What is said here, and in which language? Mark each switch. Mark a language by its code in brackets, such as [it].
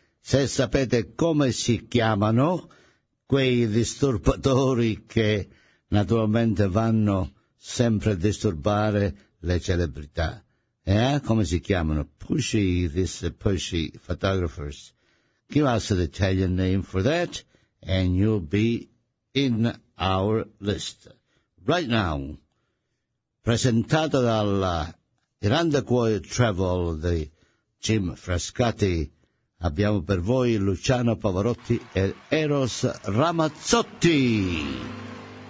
[it] Se sapete come si chiamano quei disturbatori che naturalmente vanno sempre a disturbare le celebrità. Come si chiamano? [en] Pushy photographers. Give us the Italian name for that and you'll be in our list. Right now, [it] presentato dal grande cuore travel di Jim Frascati, abbiamo per voi Luciano Pavarotti e Eros Ramazzotti.